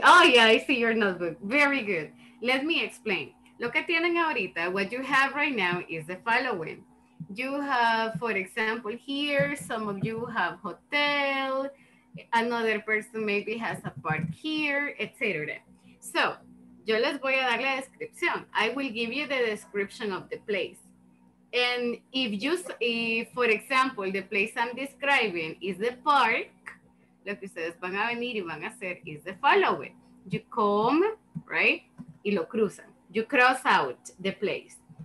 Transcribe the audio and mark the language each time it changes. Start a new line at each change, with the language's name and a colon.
English: Oh, yeah, I see your notebook. Very good. Let me explain.
Spanish: Lo que tienen ahorita,
English: what you have right now is the following. You have, for example, here, some of you have hotel, another person maybe has a park here, etc.
Spanish: So, yo les voy a dar la descripción.
English: I will give you the description of the place. And if you, if, for example, the place I'm describing is the park,
Spanish: lo que ustedes van a venir y van a hacer
English: is the following. You come, right,
Spanish: y lo cruzan.
English: You cross out the place.